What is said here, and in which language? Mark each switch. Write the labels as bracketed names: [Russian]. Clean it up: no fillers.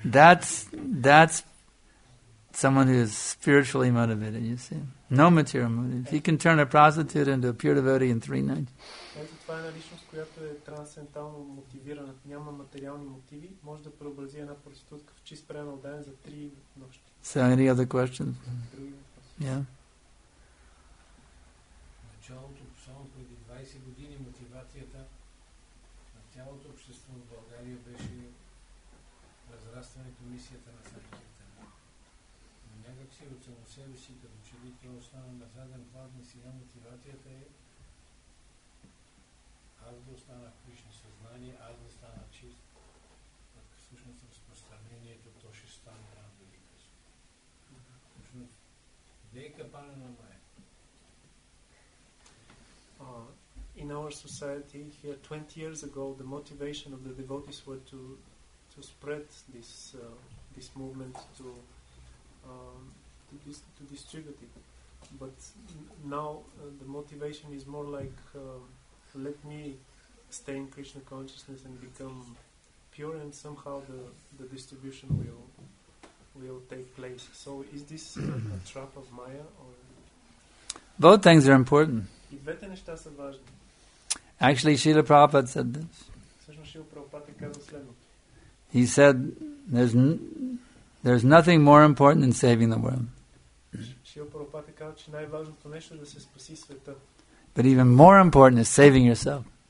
[English] That's someone who is spiritually motivated, you see. No material motive. He can turn a prostitute into a pure devotee in 3 nights. [Bulgarian] Която е трансцендентално мотивирана, няма материални мотиви, може да преобрази една проститутка в чист пренал ден за 3 нощи. [English] So, any other questions? [Bulgarian] В началото, само преди 20 години, мотивацията на цялото общество в България беше разрастването мисията на Санкирта. Но някак си от само себе си, като че ли това остана на заден план, и сега мотивацията е аз да останах Кришна съзнание, аз да стана чист, пък всъщност разпространението, то ще стане рано или късно. Всъщност, де е капана на мая? [English] In our society, here 20 years ago, the motivation of the devotees were to spread this movement, to distribute it. But now the motivation is more like let me stay in Krishna consciousness and become pure, and somehow the distribution will take place. So is this a trap of Maya? Or? Both things are important. [Bulgarian] И двете неща са важни. [English] Actually, Srila Prabhupada said this. [Bulgarian] Всъщност Srila Prabhupada каза следното. [English] He said, there's nothing more important than saving the world. [Bulgarian] Srila Prabhupada каза, че най-важното нещо е да се спаси света. [English] But even more important is saving yourself.